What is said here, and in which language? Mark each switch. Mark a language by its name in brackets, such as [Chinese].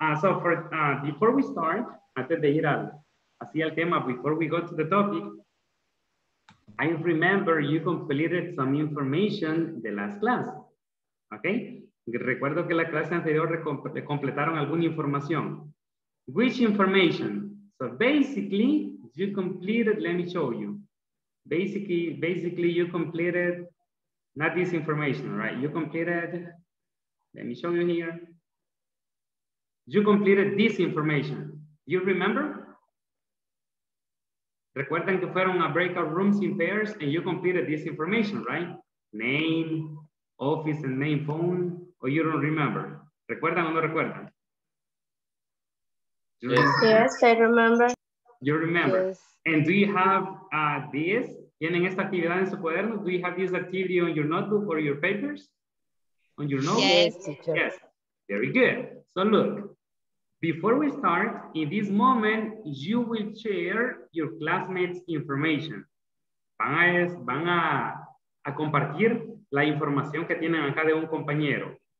[English] So for before we start, [Spanish] antes de ir al hacia el tema, [English] before we go to the topic, I remember you completed some information the last class. Okay? [Spanish] Recuerdo que la clase anterior completaron alguna información. [English] Which information? So basically, you completed, let me show you. Basically you completed not this information, right? You completed, let me show you here. You completed this information. You remember? [Spanish] Recuerden que fueron a [English] breakout rooms in pairs and you completed this information, right? Name, office and main phone, or you don't remember? [Spanish] ¿Recuerdan o no recuerdan? [English] Yes, I remember. You remember. Yes. And do you have this? [Spanish] ¿Tienen esta actividad en su cuaderno? [English] Do you have this activity on your notebook or your papers? On your notebook? Yes, teacher. Yes, very good. So look. Before we start, in this moment, you will share your classmates' information. [Spanish] Van a compartir la información que tienen acá de un compañero.